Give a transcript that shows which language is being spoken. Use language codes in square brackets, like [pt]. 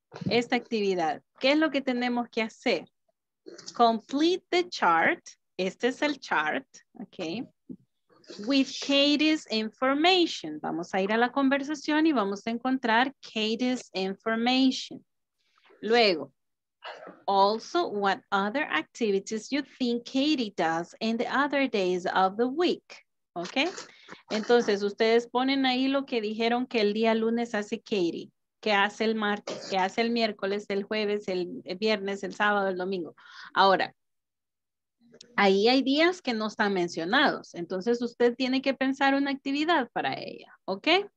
[es] Esta actividad. ¿Qué es lo que tenemos que hacer? [en] Complete the chart. [es] Este es el [en] chart, okay? With Katie's information. [es] Vamos a ir a la conversación y vamos a encontrar Katie's information. [en] Luego, also, what other activities you think Katie does in the other days of the week? [es] Okay. Entonces, ustedes ponen ahí lo que dijeron que el día lunes hace Katie. qué hace el martes, qué hace el miércoles, el jueves, el viernes, el sábado, el domingo. Ahora, ahí hay días que no están mencionados. Entonces, usted tiene que pensar una actividad para ella, ¿ok?